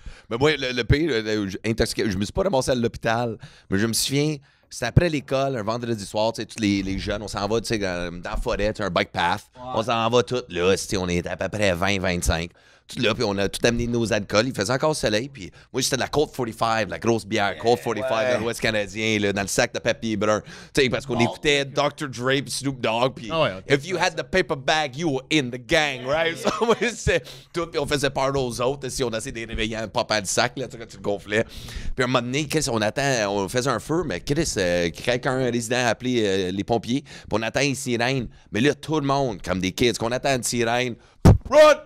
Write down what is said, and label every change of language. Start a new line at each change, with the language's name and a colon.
French: Mais moi, le pire, intoxiqué, je me suis pas ramassé à l'hôpital, mais je me souviens, c'était après l'école, un vendredi soir, tu sais, tous les jeunes, on s'en va, tu sais, dans la forêt, tu sais, un bike path, ouais. On s'en va tout là, tu sais, on est à peu près 20-25, tout là, puis on a tout amené nos alcools, il faisait encore soleil, puis moi, j'étais de la Colt 45, la grosse bière, Colt 45, ouais. De l'Ouest canadien, là, dans le sac de papier brun, tu sais, parce qu'on écoutait Dr.
English: Dre,
French: puis
English: Snoop Dogg, puis if you had the paper bag, you were in the gang, right?
French: Yeah. So, moi, c'était tout, puis on faisait part aux autres, si on essayait de réveiller un papa de sac, là, tu sais, quand tu te gonflais. Puis un moment donné, Chris, on attend, on faisait un feu, mais Chris, quelqu'un, un résident a appelé les pompiers, puis on attend une sirène, mais là, tout le monde, comme des kids, qu'on attend une sirène, run!